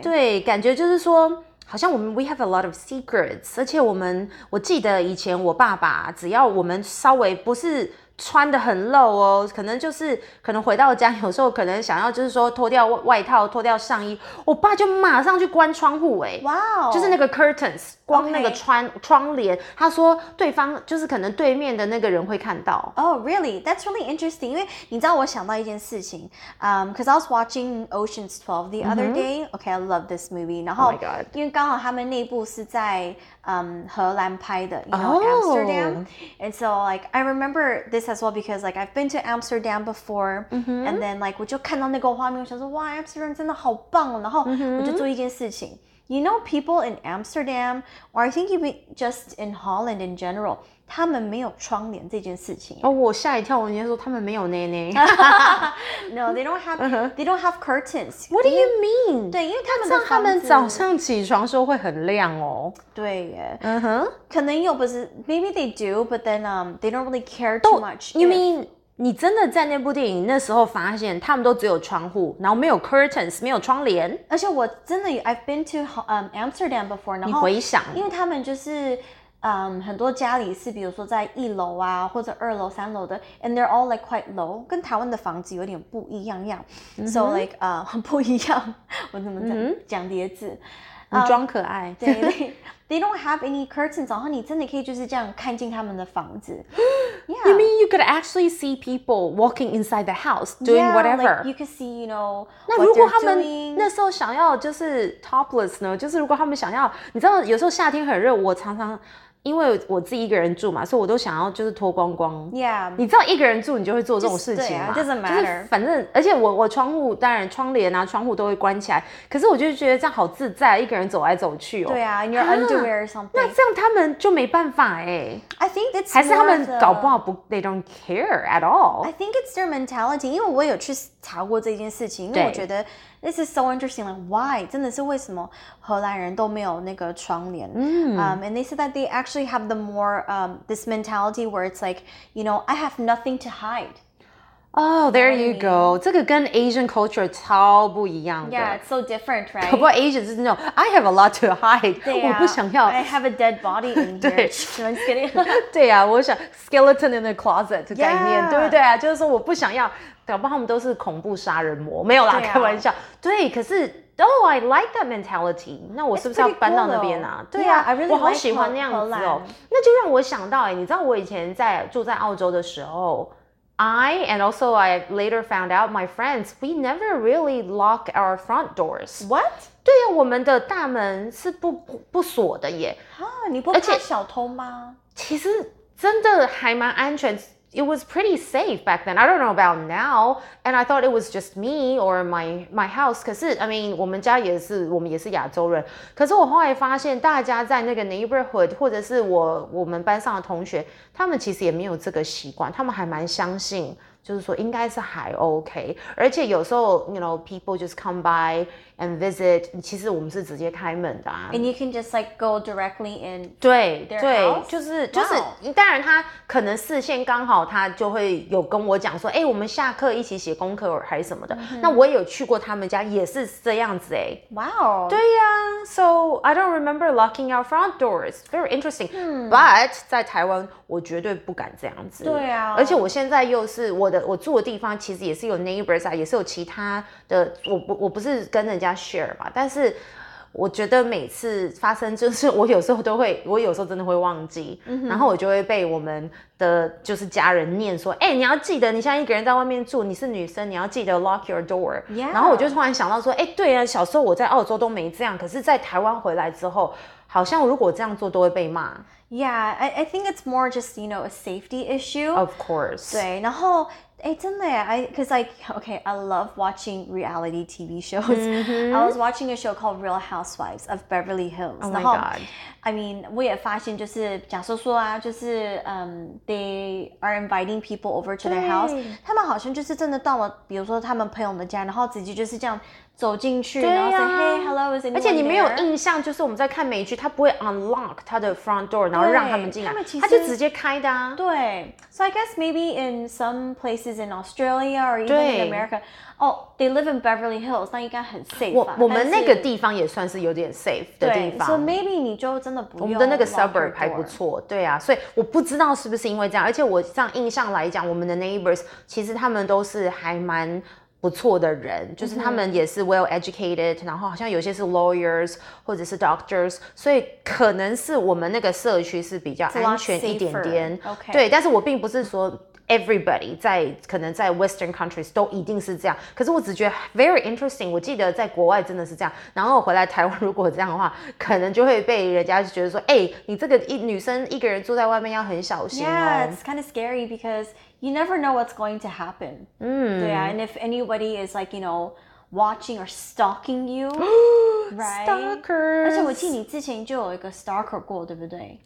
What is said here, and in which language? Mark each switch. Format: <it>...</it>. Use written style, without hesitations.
<zh>对感觉就是说好像我们</zh> <en>we have a lot of secrets，</en> <zh>而且我记得以前我爸爸只要我们稍微不是穿得很露哦，可能就是可能回到家有时候可能想要就是说脱掉外套脱掉上衣，我爸就马上去关窗户哎，哇、wow. ，就是那个 curtains 光那个窗帘，他说对方就是可能对面的那个人会看到。</zh> <en>Oh really? That's really interesting.</en> <zh>因为你知道我想到一件事情，</zh> <en>because I was watching Ocean's 12 the other day.、Mm-hmm. Okay, I love this movie. 然后、 oh、my God.</en> <zh>因为刚好他们内部是在。荷兰拍的 you know、oh.</zh> <en>Amsterdam and so like I remember this as well because like I've been to Amsterdam before、mm-hmm. and then like</en> <zh>我就看到那个画面我想说哇 Amsterdam 真的好棒哦然后我就做一件事情、mm-hmm.</zh> <en>you know people in Amsterdam or I think even just in Holland in general</en> <zh>他们没有窗帘这件事情哦、oh, 我吓一跳我人家说他们没有捏捏</zh> <en>no they don't have、uh-huh. they don't have curtains what do you mean</en> <zh>对因为他们的房子他们早上起床的时候会很亮哦对耶、uh-huh. 可能有不是</zh> <en>maybe they do but then they don't really care too much you mean</en> <zh>你真的在那部电影那时候发现他们都只有窗户然后没有 curtains 没有窗帘而且我真的</zh> <en>I've been to Amsterdam before</en> <zh>你回想因为他们就是很多家里是比如说在一楼啊或者二楼三楼的</zh> <en>and they're all like quite low</en> <zh>跟台湾的房子有点不一样样、mm-hmm.</zh> <en>so like</en> <zh>不一样我怎么讲、mm-hmm. 讲叠字你装可爱对</zh> <en>They don't have any curtains,</en> <zh>然后你真的可以就是这样看进他们的房子。</zh> <en>Yeah. You mean you could actually see people walking inside the house, doing yeah, whatever? Yeah, like you could see, you know, what they're doing.</en> <zh>那如果他们那时候想要就是 topless 呢？就是如果他们想要，你知道有时候夏天很热，我常常因为我自己一个人住嘛，所以我都想要就是脱光光。</zh> <en>Yeah.</en> <zh>你知道一个人住你就会做这种事情吗？对啊，</zh> <en>doesn't matter.</en> <zh>就是反正，而且我窗户当然窗帘啊窗户都会关起来，可是我就觉得这样好自在，一个人走来走去哦。</zh> <en>对啊， in your underwear or something.</en> <zh>那这样他们就没办法哎。</zh> <en>I think it's</en> <zh>还是他们搞不好不</zh> <en>they don't care at all. I think it's their mentality.</en> <zh>因为我有去查过这件事情，因为我觉得。</zh> <en>This is so interesting. Like, why?</en> <zh>真的是为什么荷兰人都没有那个窗帘？</zh> <en>And they said that they actually have the more this mentality where it's like, you know, I have nothing to hide. Oh, there you go.</en> <zh>这个跟 Asian culture 超不一样的。</zh> <en>Yeah, it's so different, right?</en> <zh>搞不好</zh> <en>Asians is no, I have a lot to hide.</en> <zh>对啊，我不想要。</zh> <en>I have a dead body in here.</en> <zh>对</zh> <en>，I'm kidding.</en> <zh>对啊，我想</zh> <en>skeleton in the closet</en> <zh>的概念，对不对啊？就是说我不想要。搞不好他们都是恐怖杀人魔，没有啦，啊、开玩笑。对，可是</zh> <en>，Oh, I like that mentality。</en> <zh>那我是不是要搬到那边啊？</zh> <en>Cool,</en> <zh>对啊</zh> <en>yeah, I、really、</en> <zh>我好喜欢那样子哦。那就让我想到、欸，你知道我以前在住在澳洲的时候</zh> <en>，I and also I later found out my friends we never really lock our front doors。 What？</en> <zh>对啊，我们的大门是不锁的耶。啊，你不怕小偷吗？其实真的还蛮安全。</zh> <en>It was pretty safe back then. I don't know about now. And I thought it was just me or my house.</en> <zh>可是</zh> <en>I mean,</en> <zh>我们家也是我们也是亚洲人。可是我后来发现大家在那个 neighborhood, 或者是我们班上的同学他们其实也没有这个习惯他们还蛮相信就是说应该是还 OK。而且有时候 you know,</zh> <en>people just come by and visit.</en> <zh>其实我们是直接开门的啊。</zh> <en>And you can just like go directly in.</en> <zh>对</zh> <en>their</en> <zh>对，</zh> <en>house?</en> <zh>就是， wow. 当然他可能视线刚好，他就会有跟我讲说，哎，我们下课一起写功课还是什么的。 Mm-hmm. 那我也有去过他们家，也是这样子哎。</zh> <en>Wow.</en> <zh>对呀、</zh> <en>啊、，So I don't remember locking our front doors. Very interesting.、Mm.</en> <zh>But 在台湾，我绝对不敢这样子。对啊，而且我现在又是我住的地方，其实也是有 neighbors 啊，也是有其他的，我不是跟人家 share 嘛，但是我觉得每次发生，就是我有时候都会，我有时候真的会忘记，嗯、然后我就会被我们的就是家人念说，哎、欸，你要记得，你现在一个人在外面住，你是女生，你要记得</zh> <en>lock your door。 Yeah.</en> <zh>然后我就突然想到说，哎、欸，对啊，小时候我在澳洲都没这样，可是在台湾回来之后，好像如果这样做都会被骂。</zh> <en>Yeah, I think it's more just, you know, a safety issue. Of course.</en> <zh>对，然后。哎，真的耶</zh> <en>Because like, okay, I love watching reality TV shows、mm-hmm. I was watching a show called Real Housewives of Beverly Hills Oh my</en> <zh>然后,</zh> <en>god I mean,</en> <zh>我也发现就是假设说啊就是、</zh> <en>they are inviting people over to their house</en> <zh>他们好像就是真的到了比如说他们朋友的家然后直接就是这样走进去、啊、然后 say, hey, hello, is anyone there? 而且你没有印象就是我们在看美剧他不会 unlock 他的 front door 然后让他们进来他就直接开的啊</zh> <en>对 So I guess maybe in some placesin Australia or even in America. Oh, they live in Beverly Hills.</en> <zh>那应该很 safe 我们那个地方也算是有点 safe 的地方。</zh> <en>So maybe</en> <zh>你就真的不用。我们的那个 suburb 还不错。对啊，所以我不知道是不是因为这样。而且我这样印象来讲，我们的 neighbors 其实他们都是还蛮不错的人，就是他们也是</zh> <en>well educated，</en> <zh>然后好像有些是 lawyers 或者是 doctors， 所以可能是我们那个社区是比较安全一点点。</zh> <en>Okay.</en> <zh>对，但是我并不是说。 Everybody 在可能在 Western countries 都一定是这样，可是我只觉得</zh> <en>very interesting。</en> <zh>我记得在国外真的是这样，然后我回来台湾如果这样的话，可能就会被人家觉得说，哎、欸，你这个女生一个人住在外面要很小心哦。</zh> <en>Yeah, it's kind of scary because you never know what's going to happen.</en> <zh>嗯，对啊</zh> <en>，and if anybody is like you know watching or stalking you, right? Stalker.</en> <zh>而且我记得你之前就有一个 stalker 过，对不对？</zh>